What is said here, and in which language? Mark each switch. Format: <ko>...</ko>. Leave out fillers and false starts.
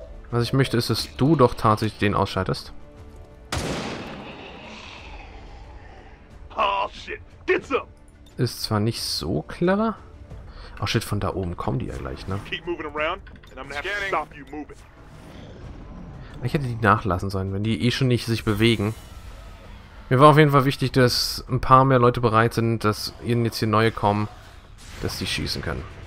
<de>Was ich möchte, ist, dass du doch tatsächlich den ausschaltest.</de> <en>Oh, shit. Get some.</en> <de>Ist zwar nicht so clever. Oh shit, von da oben kommen die ja gleich, ne?</de> <en>Keep moving around, and I'm gonna have to stop you moving.</en> <de>Ich hätte die nachlassen sollen, wenn die eh schon nicht sich bewegen. Mir war auf jeden Fall wichtig, dass ein paar mehr Leute bereit sind, dass ihnen jetzt hier neue kommen, dass die schießen können.</de>